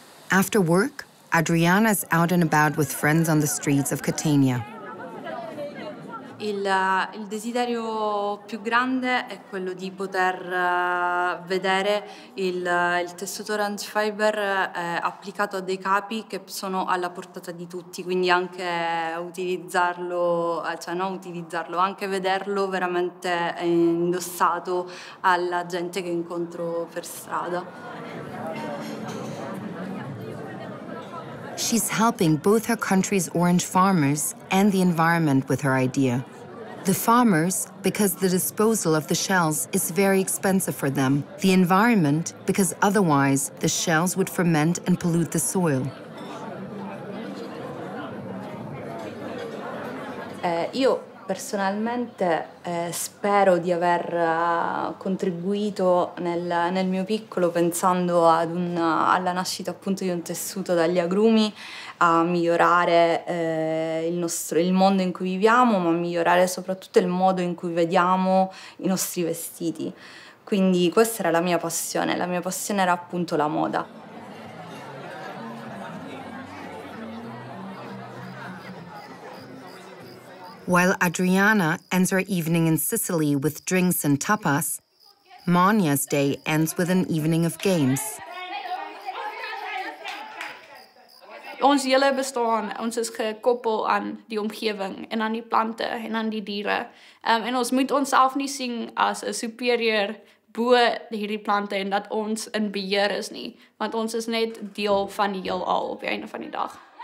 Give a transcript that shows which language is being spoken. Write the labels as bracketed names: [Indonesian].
[English] After work, Adriana's out and about with friends on the streets of Catania. [Italian] Il desiderio più grande è quello di poter vedere il tessuto orange fiber applicato a dei capi che sono alla portata di tutti, quindi anche utilizzarlo, cioè non utilizzarlo, anche vederlo veramente indossato alla gente che incontro per strada. [English] She's helping both her country's orange farmers and the environment with her idea. The farmers, because the disposal of the shells is very expensive for them. The environment, because otherwise the shells would ferment and pollute the soil. [Italian] Io personalmente spero di aver contribuito nel mio piccolo pensando alla nascita appunto di un tessuto dagli agrumi a migliorare il mondo in cui viviamo, ma a migliorare soprattutto il modo in cui vediamo i nostri vestiti. Quindi questa era la mia passione era appunto la moda. [English] While Adriana ends her evening in Sicily with drinks and tapas, Mania's day ends with an evening of games. [Afrikaans] Ons hele bestaan, ons is gekoppel aan die omgewing en aan die plante en aan die diere. En ons moet onsself nie sien as 'n superieur bo hierdie plante en dat ons in beheer is nie, want ons is net deel van die heelal op die einde van die dag.